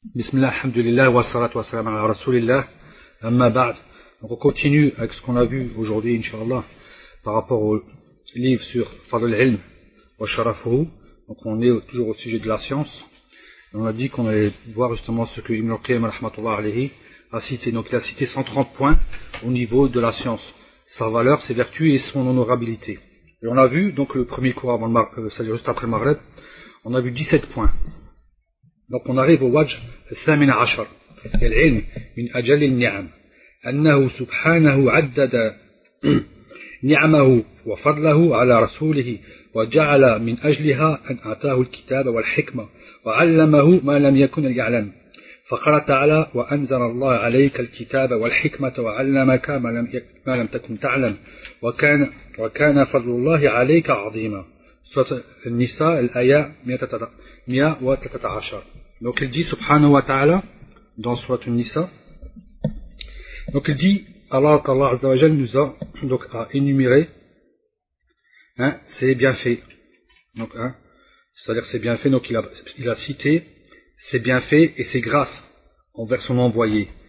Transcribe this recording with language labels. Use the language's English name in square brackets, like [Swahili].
[Arabic] بسم الله الحمد لله والصلاة والسلام على رسول الله أما بعد. [French] Donc on continue avec ce qu'on a vu aujourd'hui, inshallah, par rapport au livre sur Fadl al-Ilm wa Sharafuhu. Donc on est toujours au sujet de la science. Et on a dit qu'on allait voir justement ce que Ibn al-Qayyim [Arabic] rahmatullah alayhi [French] a cité. Donc il a cité 130 points au niveau de la science, sa valeur, ses vertus et son honorabilité. Et on a vu, donc le premier cours avant le c'est-à-dire juste après le Maghreb, on a vu 17 points. Donc on arrive au [Arabic] wajh al-thamin ashar. Al-ilm min ajal al-ni'am. أنه سبحانه عدد نعمه وفضله على رسوله وجعل من أجلها أن أعطاه الكتاب والحكمة وعلمه ما لم يكن يعلم فقال تعالى وأنزل الله عليك الكتاب والحكمة وعلمك ما لم تكن تعلم وكان فضل الله عليك عظيما سورة النساء الآية 113. [French] Donc il dit [Arabic] سبحانه وتعالى [French] dans سورة النساء. Donc il dit, Allah Azza wa Jal nous a donc à énumérer ses bienfaits. Donc, c'est-à-dire ses bienfaits, donc il a cité ses bienfaits et ses grâces envers son envoyé.